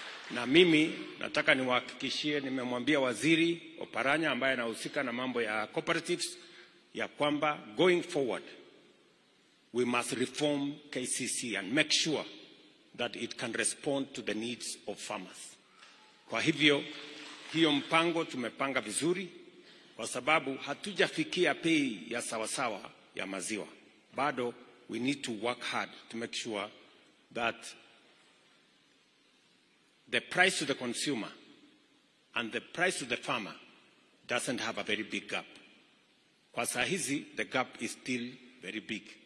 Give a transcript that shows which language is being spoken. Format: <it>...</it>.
<sw>Na mimi nataka niwahakikishie, nimemwambia waziri Oparanya ambaye anahusika na mambo ya cooperatives ya kwamba</sw> <en>going forward we must reform KCC and make sure that it can respond to the needs of farmers.</en> <sw>Kwa hivyo, hiyo mpango tumepanga vizuri, kwa sababu hatujafikia pei ya sawasawa ya maziwa.</sw> <en>Bado, we need to work hard to make sure that the price to the consumer and the price to the farmer doesn't have a very big gap.</en> <sw>Kwa sahizi,</sw> <en>the gap is still very big.</en>